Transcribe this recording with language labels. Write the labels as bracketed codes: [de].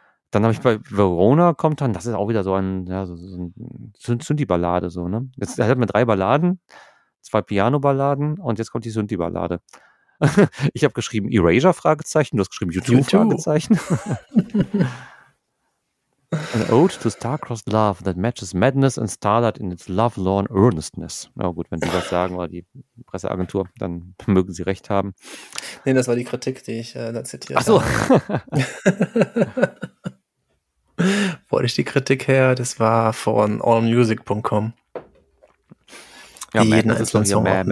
[de] Dann habe ich bei Verona kommt dann, das ist auch wieder so ein, ja, so ein Synthi-Ballade, so, ne? Jetzt hat man drei Balladen, zwei Piano-Balladen und jetzt kommt die Synthi-Ballade. Ich habe geschrieben Erasure-Fragezeichen, du hast geschrieben YouTube-Fragezeichen. [en] An ode to star-crossed love that matches madness and starlight in its lovelorn earnestness. [de] Na gut, wenn die das sagen oder die Presseagentur, dann mögen sie recht haben. Nee, das war die Kritik, die ich da zitiert habe. Ach so. Wo hatte ich die Kritik her? Das war von allmusic.com. Ja, jeden einzelnen Song.